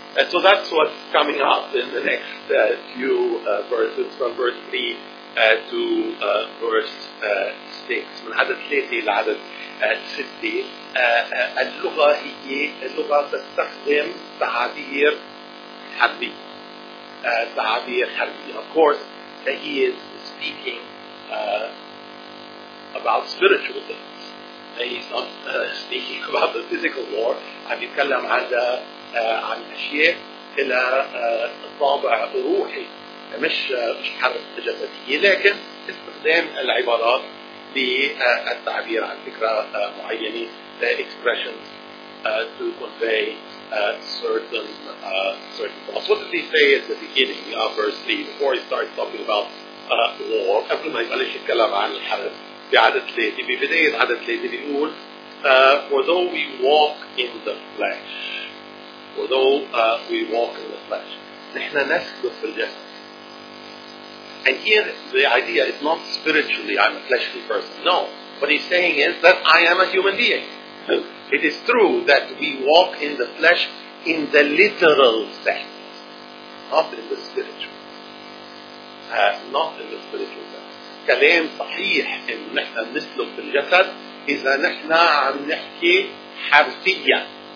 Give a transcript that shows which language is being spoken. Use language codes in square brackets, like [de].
[en] So that's what's coming up in the next few verses, from verse 3 to verse 6. [ar] من عدد 3 إلى عدد 6. اللغة هي اللغة تستخدم تعابير حربية. تعابير حربية. [en] Of course, he is speaking about spiritual things. He's not speaking about the physical war. [ar] عم يتكلم عن عن أشياء إلى طابع روحي مش حرب جسدية، لكن استخدام العبارات للتعبير عن فكرة معينة [en] expressions to convey certain thoughts. What did he say at the beginning of verse 3 before he starts talking about war? [ar] قبل ما يبلش يتكلم عن الحرب بعدد 3 ببداية عدد 3 بيقول [en] for though we walk in the flesh, [ar] for though we walk in the flesh, نحن نسكت في الجسد. [en] And here the idea is not spiritually I'm a fleshly person. No. What he's saying is that I am a human being. It is true that we walk in the flesh in the literal sense, not in the spiritual. Not in the spiritual sense. [ar] كلام صحيح إن نحن نسلك في الجسد إذا نحن عم نحكي حرفيا.